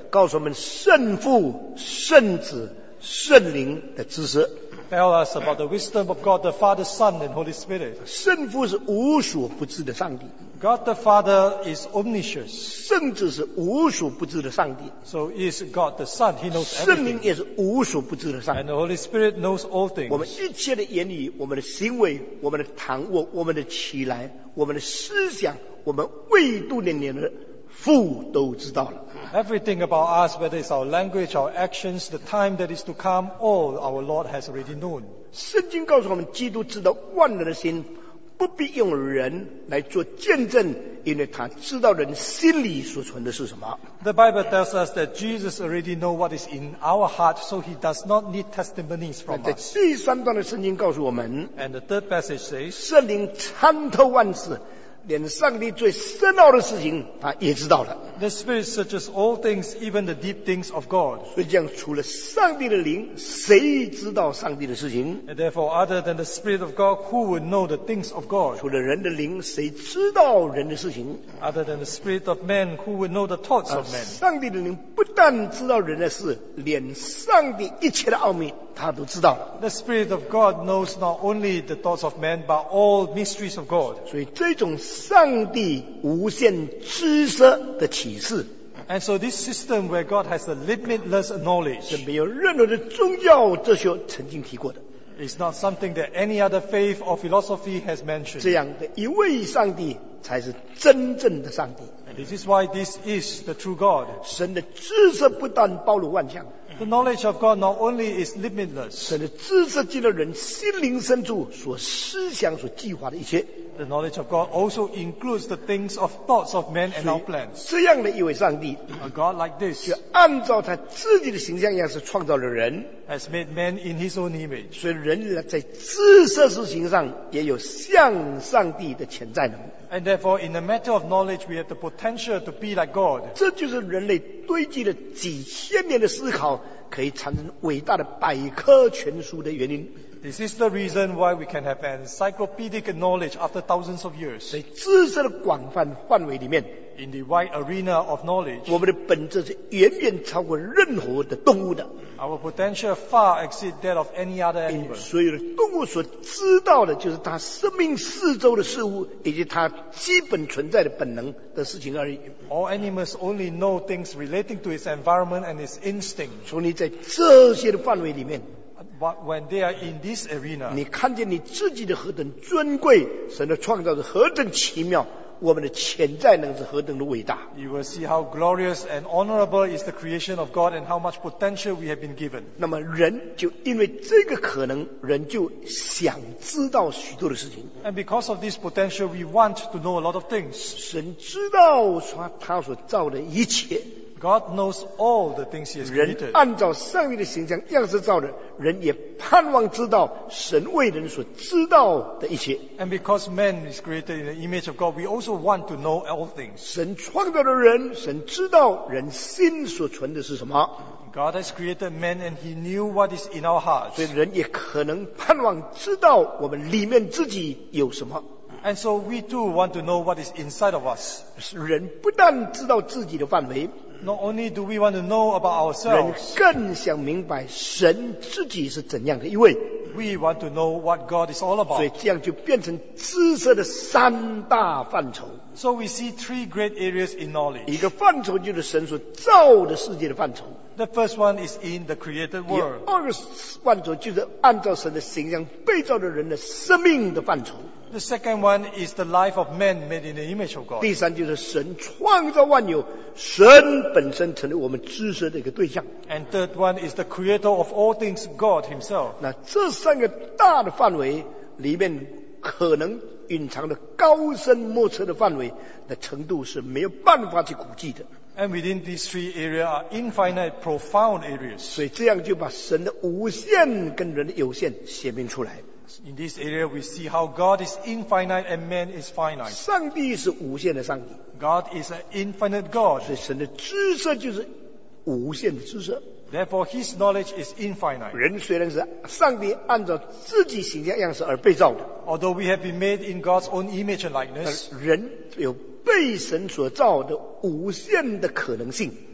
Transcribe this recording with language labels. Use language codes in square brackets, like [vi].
[zh] 告诉我们圣父、圣子、圣灵的知识。 [en] Tell us about the wisdom of God, the Father, Son, and Holy Spirit. [zh] 圣父是无所不知的上帝。 [en] God the Father is omniscient. [zh] 圣子是无所不知的上帝。 [en] So is God the Son. He knows everything. [zh] 圣灵也是无所不知的上帝。 [en] And the Holy Spirit knows all things. [zh] 我们一切的言语、我们的行为、我们的谈话、我们的起来、我们的思想、我们未度的年日，父都知道了。 [en] Everything about us, whether it's our language, our actions, the time that is to come, all our Lord has already known. [zh] 圣经告诉我们，基督知道万人的心，不必用人来做见证，因为他知道人心里所存的是什么。 [en] The Bible tells us that Jesus already knows what is in our heart, so he does not need testimonies from us. [zh] 在第三段的圣经告诉我们 [en] ，And the third passage says, [zh] 圣灵参透万事。连上帝最深奥的事情，他也知道了。 [en] The Spirit searches all things, even the deep things of God. [zh] 所以这样，除了上帝的灵，谁知道上帝的事情 [en] ？And therefore, other than the Spirit of God, who would know the things of God? [zh] 除了人的灵，谁知道人的事情 [en] ？Other than the Spirit of man, who would know the thoughts of man? [zh] 上帝的灵不但知道人的事，连上帝一切的奥秘。他都知道了。 [en] The Spirit of God knows not only the thoughts of man, but all mysteries of God. [zh] 所以这种上帝无限知识的启示。 [en] And so this system where God has a limitless knowledge. [zh] 是没有任何的宗教哲学曾经提过的。 [en] It's not something that any other faith or philosophy has mentioned. [zh] 这样的一位上帝才是真正的上帝。 [en] And this is why this is the true God. [zh] 神的知识不但包罗万象。 [en] The knowledge of God not only is limitless. [zh] 神的知识进了人心灵深处所思想所计划的一切。 [en] The knowledge of God also includes the things of thoughts of men and our plans. [zh] 这样的一位上帝 [en] ，A God like this， [zh] 就按照他自己的形象样式创造了人 [en] ，has made man in his own image。 [zh] 所以人在知识事情上也有像上帝的潜在能力。 [en] And therefore, in the matter of knowledge, we have the potential to be like God. [zh] 这就是人类堆积了几千年的思考，可以产生伟大的百科全书的原因。 [en] This is the reason why we can have encyclopedic knowledge after thousands of years. [zh] 在知识的广泛范围里面 [en] ，in the wide arena of knowledge， [zh] 我们的本质是远远超过任何的动物的。 [en] Our potential far exceeds that of any other animal. [zh] 所有的动物所知道的，就是它生命四周的事物，以及它基本存在的本能的事情而已。 [en] All animals only know things relating to its environment and its instinct. [zh] 从你在这些的范围里面。 [en] But when they are in this arena, [zh] 你看见你自己的何等尊贵，神的创造是何等奇妙，我们的潜在能是何等的伟大。 [en] You will see how glorious and honorable is the creation of God and how much potential we have been given. [zh] 那么人就因为这个可能，人就想知道许多的事情。 [en] And because of this potential, we want to know a lot of things. [zh] 神知道他所造的一切。 [en] God knows all the things He has created. [zh] 人按照上帝的形象样式造的，人也盼望知道神为人所知道的一切。 [en] And because man is created in the image of God, we also want to know all things. [zh] 神创造的人，神知道人心所存的是什么。 [en] God has created man, and He knew what is in our hearts. [zh] 所以人也可能盼望知道我们里面自己有什么。 [en] And so we too want to know what is inside of us. [zh] 人不但知道自己的范围。 [en] Not only do we want to know about ourselves, [zh] 人更想明白神自己是怎样的一位。 [en] We want to know what God is all about. [zh] 所以这样就变成知识的三大范畴。 [en] So we see three great areas in knowledge. [zh] 一个范畴就是神所造的世界的范畴。 [en] The first one is in the created world. [zh] 第二个范畴就是按照神的形象被造的人的生命的范畴。 [en] The second one is the life of man made in the image of God. [zh] 第三就是神创造万有，神本身成为我们知识的一个对象。 [en] And third one is the creator of all things, God himself. [zh] 那这三个大的范围里面可能隐藏的高深莫测的范围的程度是没有办法去估计的。 [en] And within these three areas are infinite, profound areas. [zh] 所以这样就把神的无限跟人的有限写明出来。 [en] In this area, we see how God is infinite and man is finite. [zh] 上帝是无限的上帝。 [en] God is an infinite God. [zh] 所以神的知识就是无限的知识。 [en] Therefore, His knowledge is infinite. [zh] 人虽然是上帝按照自己形象样式而被造的。 [en] Although we have been made in God's own image and likeness, [zh] 人有被神所造的无限的可能性。